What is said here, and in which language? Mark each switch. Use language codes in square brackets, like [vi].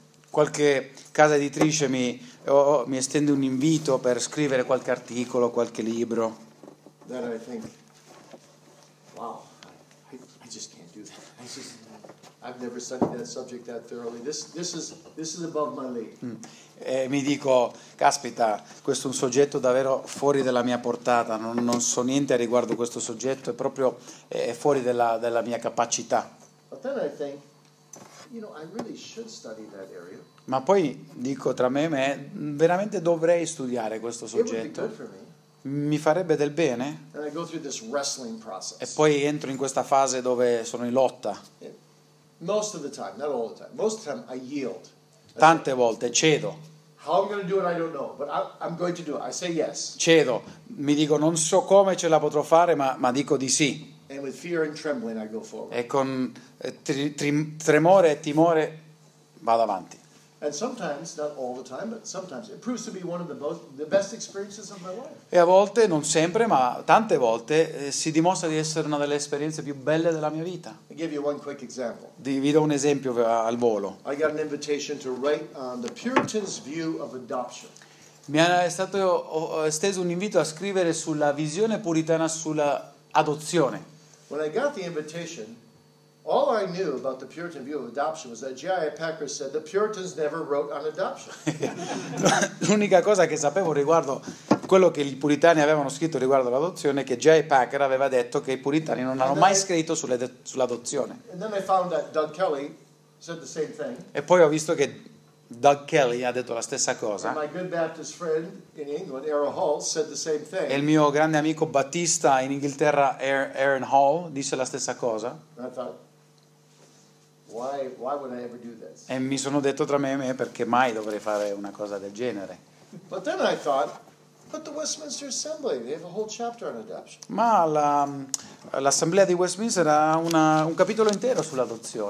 [it] Qualche casa editrice mi estende un invito per scrivere qualche articolo, qualche libro. [en] That I think, wow, I just can't do that. I've never studied that subject that thoroughly. This is above my league. [it] E mi dico, caspita, questo è un soggetto davvero fuori della mia portata. Non so niente riguardo questo soggetto. È proprio fuori della mia capacità. [en] But then I think, you know, I really should study that area. [it] Ma poi dico tra me e me, veramente dovrei studiare questo soggetto. [en] It would be good for me. [it] mi farebbe del bene? [en] And I go through this wrestling process. [it] E poi entro in questa fase dove sono in lotta. [en] Most of the time, not all the time. Most of the time I yield. [it] Tante volte cedo. [en] How I'm going to do it, I don't know, but I'm going to do it. I say yes. [it] Cedo, mi dico non so come ce la potrò fare, ma dico di sì. [en] And with fear and trembling I go forward. [it] E con tremore e timore vado avanti. [en] And sometimes, not all the time, but sometimes it proves to be one of the best experiences of my life. [it] E a volte, non sempre, ma tante volte, si dimostra di essere una delle esperienze più belle della mia vita. [en] I give you one quick example. [it] Vi do un esempio al volo. [en] I got an invitation to write on the Puritan's view of adoption. [it] Mi è stato esteso un invito a scrivere sulla visione puritana sulla adozione. [en] When I got the invitation, all I knew about the Puritan view of adoption was that G.I. Packer said the Puritans never wrote on adoption. [it] L'unica cosa che sapevo riguardo quello che i puritani avevano scritto riguardo l'adozione è che G.I. Packer aveva detto che i puritani non hanno mai scritto sull'adozione. [en] And then I found that Doug Kelly said the same thing. [it] E poi ho visto che Doug Kelly ha detto la stessa cosa. [en] And my good Baptist friend in England, Aaron Hall, said the same thing. [it] E il mio grande amico battista in Inghilterra, Aaron Hall, disse la stessa cosa. [en] And I thought, why would I ever do this? [it] E mi sono detto tra me, perché mai dovrei fare una cosa del genere? [en] But then I thought, but the Westminster Assembly, they have a whole chapter on adoption. [it] Ma l'assemblea di Westminster ha un capitolo intero sull'adozione.